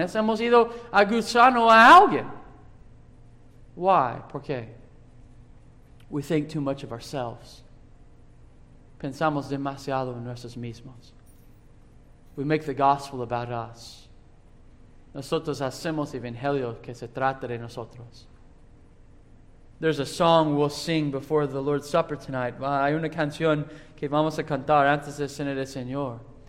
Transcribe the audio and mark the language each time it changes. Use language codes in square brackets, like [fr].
[es] Es hemos ido a gusano a alguien. [en] Why? [es] ¿Por qué? [en] We think too much of ourselves. [es] Pensamos demasiado en nosotros mismos. [en] We make the gospel about us. [es] Nosotros hacemos evangelio que se trata de nosotros. [en] There's a song we'll sing before the Lord's Supper tonight. [es] Hay una canción que vamos a cantar antes de cenar del Señor.